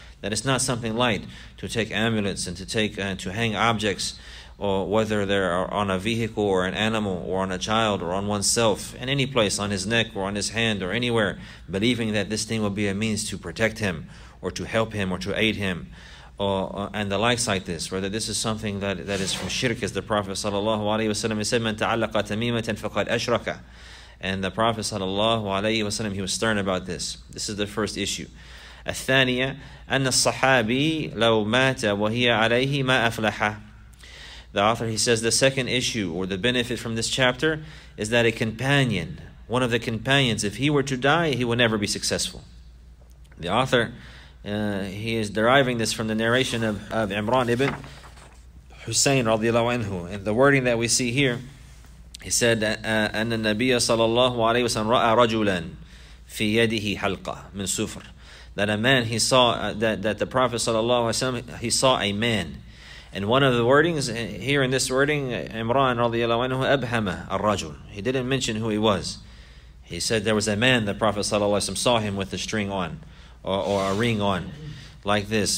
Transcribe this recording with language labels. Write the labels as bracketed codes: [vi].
[en] That it's not something light to take amulets and to hang objects, or whether they're on a vehicle or an animal or on a child or on oneself, in any place, on his neck or on his hand or anywhere, believing that this thing will be a means to protect him or to help him or to aid him. And the likes like this, whether this is something that is from shirk, as the Prophet sallallahu alaihi wasallam said, [ar] "Man ta'allaqa tamimatan faqad ashraka," [en] and the Prophet sallallahu alaihi wasallam, he was stern about this. This is the first issue. [ar] الثانية أن الصحابي لو مات وهي عليه ما أفلح. [en] The author, he says, the second issue or the benefit from this chapter is that a companion, one of the companions, if he were to die, he would never be successful. The author, he is deriving this from the narration of Imran ibn Hussein radiallahu anhu. And the wording that we see here, he said, [ar] أن النبي صلى الله عليه وسلم رأى رجلا في يده حلقة من سفر. [en] That a man, he saw, that the Prophet صلى الله عليه وسلم, he saw a man. And one of the wordings, here in this wording, Imran radiallahu anhu, [ar] أبهم الرجل. [en] He didn't mention who he was. He said there was a man, the Prophet ﷺ saw him with a string on, or a ring on, like this.